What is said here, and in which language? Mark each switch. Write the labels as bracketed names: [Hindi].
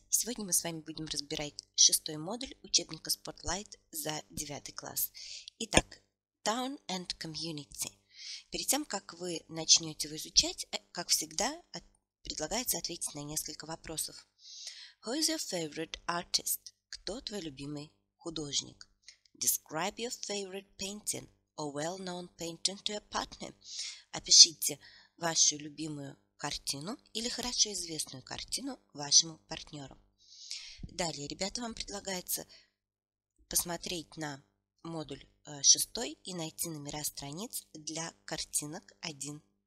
[Russian] Сегодня мы с вами будем разбирать шестой модуль учебника Spotlight за 9 класс. [English] Итак, Town and Community. [Russian] Перед тем, как вы начнете его изучать, как всегда, предлагается ответить на несколько вопросов. [English] Who is your favorite artist? [Russian] Кто твой любимый художник? [English] Describe your favorite painting or well-known painting to your partner. [Russian] Опишите вашу любимую картину или хорошо известную картину вашему партнеру. Далее, ребята, вам предлагается посмотреть на модуль 6 и найти номера страниц для картинок 1-4.